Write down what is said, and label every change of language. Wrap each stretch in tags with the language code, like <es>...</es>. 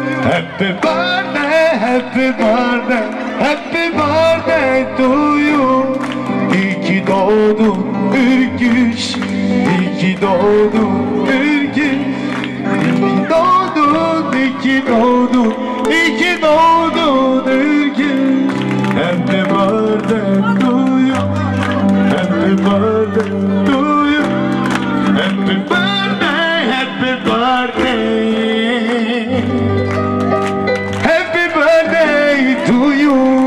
<en>Happy birthday, happy birthday, happy birthday to you.</en> <tr>İyi doğdun Irkiş, iyi doğdun Irkiş, iyi doğdun, iyi doğdun, iyi doğdun Irkiş.</tr> <en>Happy birthday to you, happy birthday to you, happy birthday, happy birthday, happy birthday to you.</en>